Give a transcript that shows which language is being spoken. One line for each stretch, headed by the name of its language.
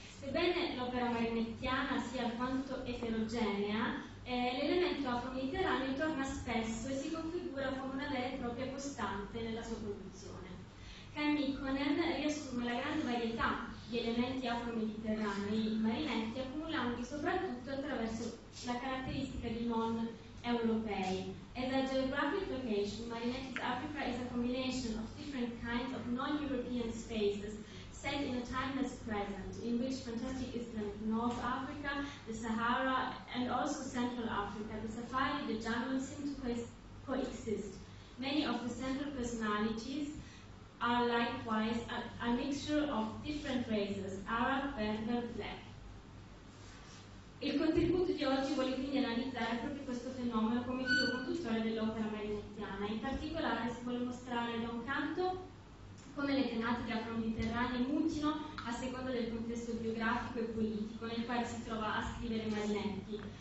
Italian: Sebbene l'opera marinettiana sia alquanto eterogenea, l'elemento afro-mediterraneo torna spesso e si configura come una vera e propria costante nella sua produzione. Kai Mikkonen riassume la grande varietà di elementi afro-mediterranei Marinetti, accumulandoli soprattutto attraverso la caratteristica di non europei.
English: As a geographic location, Marinetti's Africa is a combination of different kinds of non-European spaces set in a timeless present, in which fantastic Islamic North Africa, the Sahara, and also Central Africa, the safari, the jungle, seem to coexist. Many of the central personalities are likewise a mixture of different races, Arab, Berber, Black.
Italian: Il contributo di oggi vuole quindi analizzare proprio questo fenomeno come filo conduttore dell'opera marinettiana. In particolare si vuole mostrare da un canto come le tematiche afro-mediterranee mutino a seconda del contesto geografico e politico nel quale si trova a scrivere Marinetti.